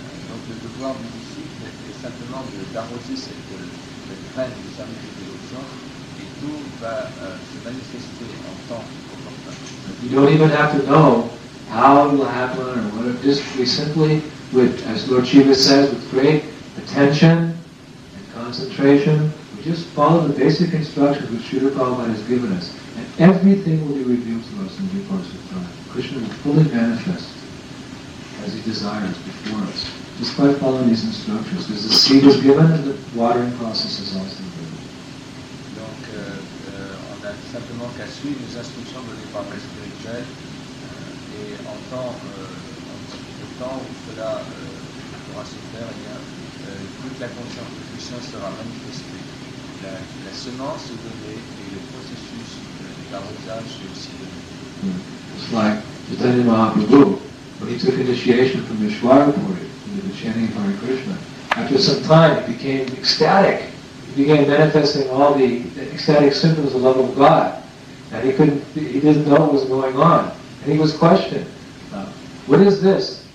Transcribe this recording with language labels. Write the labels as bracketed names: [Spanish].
[French] Donc, le devoir du disciple est simplement d'arroser cette graine du service de l'option et tout va se manifester en temps important. [English] You don't even have to know how it will happen, or what it is, we simply, with, as Lord Shiva says, with great attention and concentration, we just follow the basic instructions which Srila Prabhupada has given us, and everything will be revealed to us in due course of time. Krishna will fully manifest as he desires before us, just by following these instructions, because the seed is given and the watering process is also given. [French] Donc, on a simplement qu'à suivre les instructions données par le spirituel. Et en temps, le temps où cela pourra se faire, eh bien, toute la conscience de Krishna sera manifestée. La semence est donnée et le processus d'arrosage est aussi donné. [English] It's like Chaitanya Mahaprabhu, when he took initiation from Vishwarapuri into the chanting of Hare Krishna, after some time he became ecstatic. He began manifesting all the ecstatic symptoms of love of God. And he didn't know what was going on. And he was questioned, what is this?